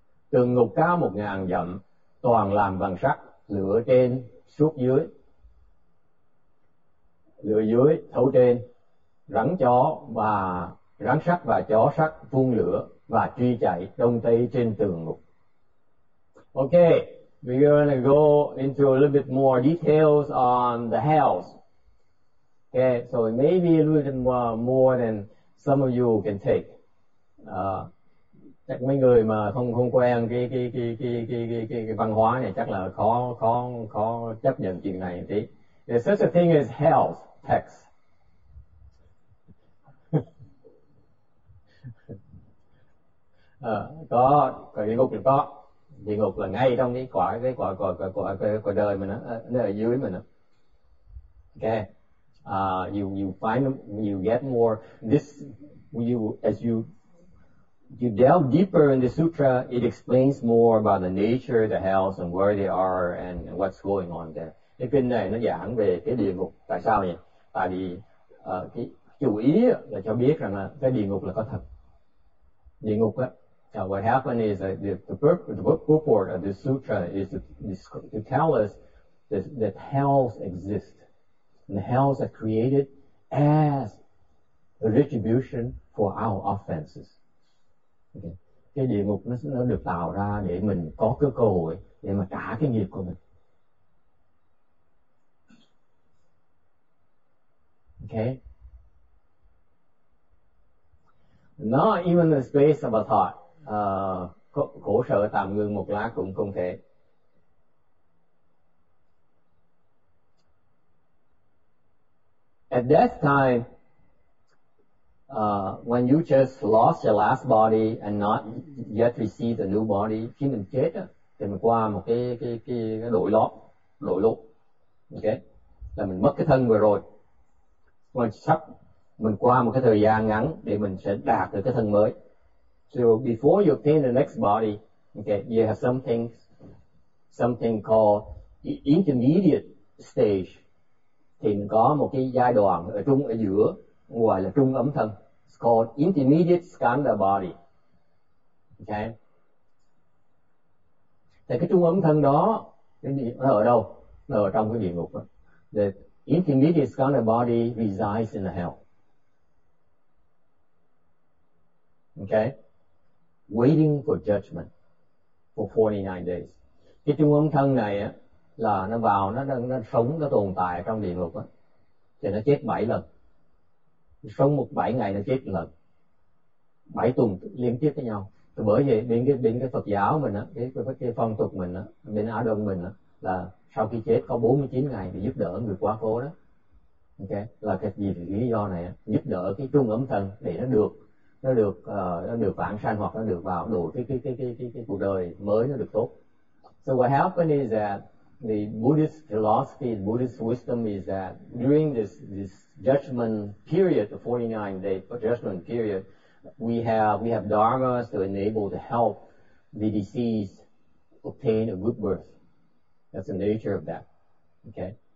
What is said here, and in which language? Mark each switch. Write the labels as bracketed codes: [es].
[vi] Tường ngục cao 1,000 dặm, toàn làm bằng sắt, lửa trên suốt dưới. Lửa dưới thấu trên, rắn chó và rắn sắt và chó sắt phun lửa và truy chạy đông tây trên tường ngục. [en] Okay, we're going to go into a little bit more details on the hells. Okay, so it may be a little bit more than some of you can take. [vi] Chắc mấy người mà không quen cái văn hóa này chắc là khó chấp nhận chuyện này tí. [en] There's such a thing as hells text. [vi] Có cái địa ngục thì có, địa ngục là ngay trong cái quả đời mình đó, ở dưới mình đó. [en] Okay, you find you get more this you as you delve deeper in the sutra, it explains more about the nature of the hells and where they are and what's going on there. [vi] Cái kinh này nó giảng về cái địa ngục. Tại sao vậy? Tại vì cái chủ ý là cho biết rằng là cái địa ngục là có thật. Địa ngục á, [en] what happened is that the purport of this sutra is to tell us that hells exist. And hells are created as a retribution for our offenses. Okay. [vi] Cái địa ngục nó được tạo ra để mình có cái cơ hội để mà trả cái nghiệp của mình. [en] Okay. Not even the space of a thought. [vi] Khổ sở tạm ngưng một lát cũng không thể. [en] At that time, when you just lost your last body and not yet received a new body, [vi] khi mình chết á, thì mình qua một cái đổi lót, đổi lốt. [en] Okay. [vi] Là mình mất cái thân vừa rồi. Mình qua một cái thời gian ngắn để mình sẽ đạt được cái thân mới. [en] So before you obtain the next body, okay, you have something called intermediate stage. [vi] Thì mình có một cái giai đoạn ở trung ở giữa gọi là trung ấm thân. [en] It's called intermediate skanda body. Okay. [vi] Thì cái trung ấm thân đó nó ở đâu? Nó ở trong cái địa ngục đó. [en] The intermediate skanda body resides in the hell. Okay, waiting for judgment for 49 days. [vi] Cái trung âm thân này á, là nó vào nó sống nó tồn tại trong địa ngục á, thì nó chết 7 lần, sống một 7 ngày nó chết 1 lần, 7 tuần liên tiếp với nhau. Thì bởi vậy bên cái Phật giáo mình á, cái phong tục mình á, bên Á Đông mình á, là sau khi chết có 49 ngày để giúp đỡ người quá cố đó. Okay, là cái gì lý do này á, giúp đỡ cái trung âm thân để nó được vãng sanh hoặc nó được vào đổi cái cuộc đời mới nó được tốt. [en] So what happened is that the Buddhist philosophy, Buddhist wisdom is that during this judgment period, the 49 day judgment period, we have dharmas to enable to help the deceased obtain a good birth. That's the nature of that. Okay.